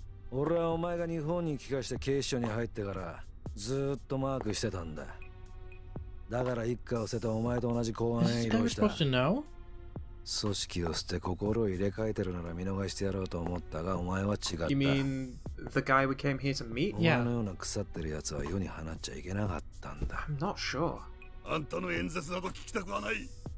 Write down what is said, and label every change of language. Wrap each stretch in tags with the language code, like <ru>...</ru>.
<ja>俺はお前が日本に帰化して警視庁に入ってからずっとマークしてたんだ。だから一家を捨てたお前と同じ公安へ移動した。組織を捨て心を入れ替えてるなら見逃してやろうと思ったが、お前は違った。</ja> <en>You mean the guy we came here to meet?</en> <ja>お前のような腐ってるやつは世に放っちゃいけなかったんだ。</ja> <en>I'm not sure.</en> <ja>あんたの演説など聞きたくはない。</ja>